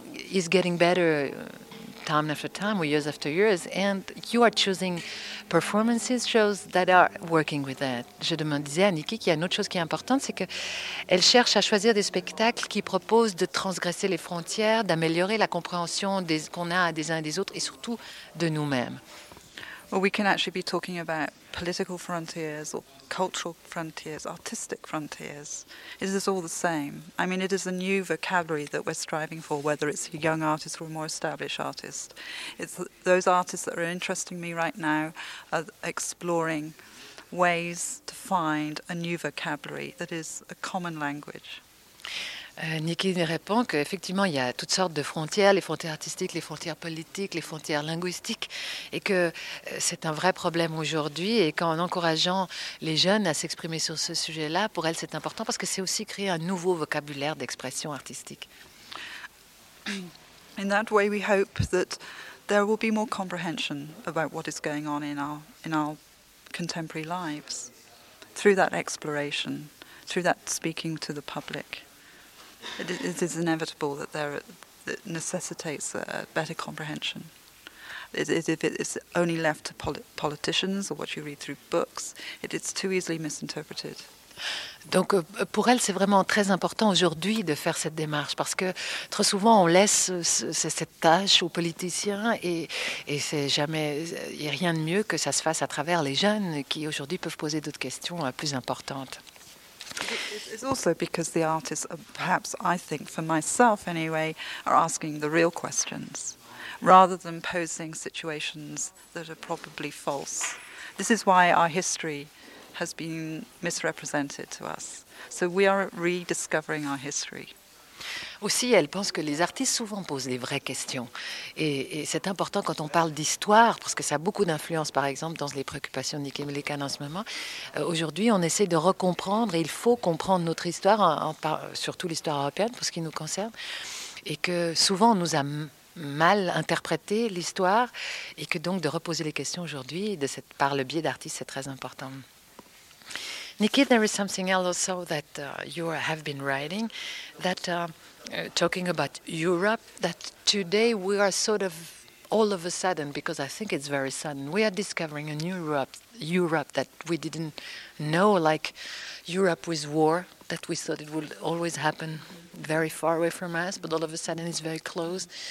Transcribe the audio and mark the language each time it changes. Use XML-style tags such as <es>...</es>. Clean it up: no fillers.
<en>Is getting better time after time, or years after years, and you are choosing performances, shows that are working with that.</en> <fr>Je demandais à Nikki qu'il y a une autre chose qui est importante, c'est qu'elle cherche à choisir des spectacles qui proposent de transgresser les frontières, d'améliorer la compréhension qu'on a des uns et des autres, et surtout de nous-mêmes.</fr> <en>Well, we can actually be talking about political frontiers or cultural frontiers, artistic frontiers. It is all the same. I mean, it is a new vocabulary that we're striving for, whether it's a young artist or a more established artist. It's those artists that are interesting me right now are exploring ways to find a new vocabulary that is a common language.</en> <fr>Nikki répond qu'effectivement, il y a toutes sortes de frontières, les frontières artistiques, les frontières politiques, les frontières linguistiques, et que c'est un vrai problème aujourd'hui, et qu'en encourageant les jeunes à s'exprimer sur ce sujet-là, pour elle, c'est important, parce que c'est aussi créer un nouveau vocabulaire d'expression artistique.</fr> <en>In that way, we hope that there will be more comprehension about what is going on in our contemporary lives, through that exploration, through that speaking to the public. It is inevitable that there that necessitates a better comprehension. If it is only left to politicians or what you read through books, it's too easily misinterpreted.</en> <fr>Donc, pour elle, c'est vraiment très important aujourd'hui de faire cette démarche parce que trop souvent, on laisse cette tâche aux politiciens et c'est jamais, il n'y a rien de mieux que ça se fasse à travers les jeunes qui aujourd'hui peuvent poser d'autres questions plus importantes.</fr> <en>It's also because the artists, perhaps I think for myself anyway, are asking the real questions rather than posing situations that are probably false. This is why our history has been misrepresented to us. So we are rediscovering our history.</en> <fr>Aussi, elle pense que les artistes souvent posent des vraies questions. Et c'est important quand on parle d'histoire, parce que ça a beaucoup d'influence, par exemple, dans les préoccupations de Nikki Millican en ce moment. Aujourd'hui, on essaie de recomprendre, et il faut comprendre notre histoire, surtout l'histoire européenne, pour ce qui nous concerne, et que souvent, on nous a mal interprété l'histoire, et que donc, de reposer les questions aujourd'hui, par le biais d'artistes, c'est très important.</fr> <en>Nikki, there is something else also that you have been writing, that talking about Europe, that today we are sort of all of a sudden, because I think it's very sudden, we are discovering a new Europe that we didn't know, like Europe with war, that we thought it would always happen very far away from us, but all of a sudden it's very close.</en>